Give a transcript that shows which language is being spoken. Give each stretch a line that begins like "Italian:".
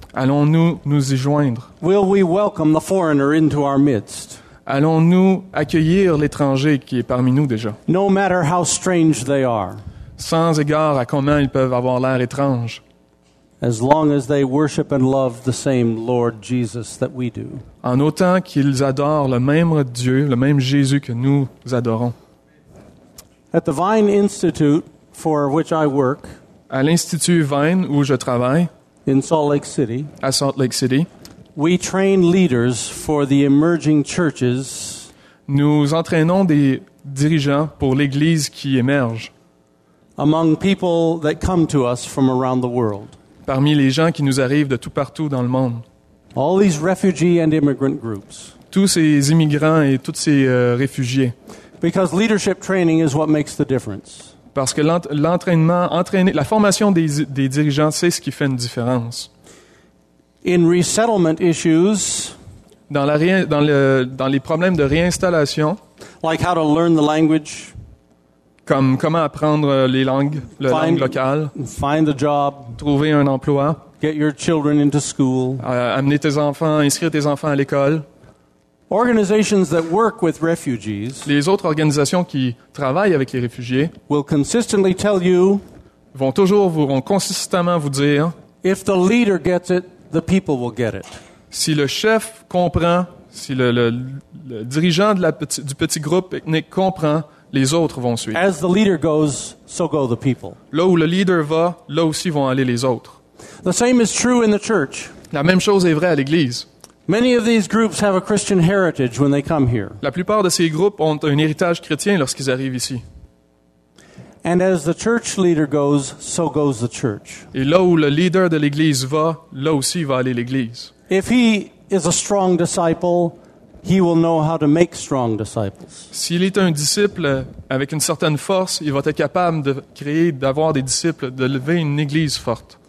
French: Allons-nous nous y joindre?
English: Will we welcome the foreigner into our midst?
French: Allons-nous accueillir l'étranger qui est parmi nous déjà?
English: No matter how strange they are.
French: Sans égard à comment ils peuvent avoir l'air étrange.
English: As long as they worship and love the same Lord Jesus that we do.
French: En autant qu'ils adorent le même Dieu, le même Jésus que nous adorons.
English: At the Vine Institute, for which I work,
French: à l'Institut Vine où je travaille,
English: in Salt Lake City,
French: à Salt Lake City,
English: we train leaders for the emerging churches.
French: Nous entraînons des dirigeants pour l'Église qui émerge.
English: Among people that come to us from around the world.
French: Parmi les gens qui nous arrivent de tout partout dans le monde.
English: All these refugee and immigrant groups.
French: tous ces immigrants et tous ces réfugiés.
English: Because leadership training is what makes the difference.
French: Parce que l'entraînement, la formation des dirigeants, c'est ce qui fait une différence.
English: In resettlement issues,
French: dans les problèmes de réinstallation,
English: like how to learn the language,
French: comme comment apprendre les langues, la langue locale,
English: find a job,
French: trouver un emploi,
English: get your children into school,
French: amener tes enfants, inscrire tes enfants à l'école.
English: Organizations that work with refugees,
French: les autres organisations qui travaillent avec les réfugiés,
English: will consistently tell you,
French: vont consistamment vous dire,
English: if the leader gets it, the people will get it.
French: Si le chef comprend, si le dirigeant du petit groupe ethnique comprend, les autres vont suivre.
English: As the leader goes, so go the people.
French: Là où le leader va, là aussi vont aller les autres.
English: The same is true in the church.
French: La même chose est vraie à l'église.
English: Many of these groups have a Christian heritage when they come here.
French: La plupart de ces groupes ont un héritage chrétien lorsqu'ils arrivent ici.
English: And as the church leader goes, so goes the church.
French: Et là où le leader de l'église va, là aussi va aller l'église.
English: If he is a strong disciple, he will know how to make strong disciples.
French: S'il est un disciple avec une certaine force, il va être capable de créer, d'avoir des disciples, de lever une église forte.